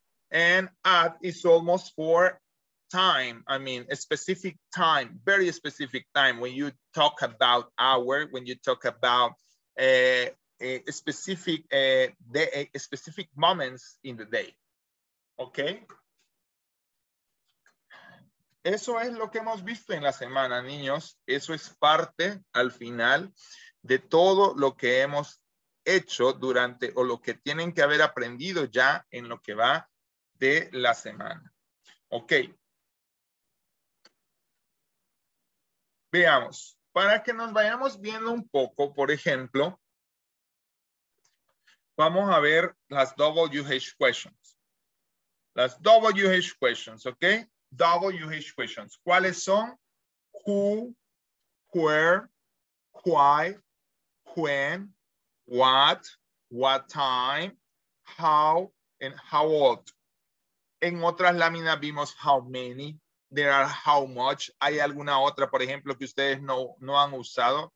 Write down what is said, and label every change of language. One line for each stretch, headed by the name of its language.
English: And at is almost for time, I mean, a specific time, very specific time. When you talk about hour, when you talk about specific moments in the day. Okay?
Spanish: Eso es lo que hemos visto en la semana, niños. Eso es parte, al final, de todo lo que hemos hecho durante, o lo que tienen que haber aprendido ya en lo que va de la semana. Okay. Veamos, para que nos vayamos viendo un poco, por ejemplo, vamos a ver las WH questions. Las WH questions, ¿ok? WH questions. ¿Cuáles son?
English: Who, where, why, when, what time, how, and how old.
Spanish: En otras láminas vimos
English: how many. There are how much.
Spanish: Hay alguna otra, por ejemplo, que ustedes no han usado.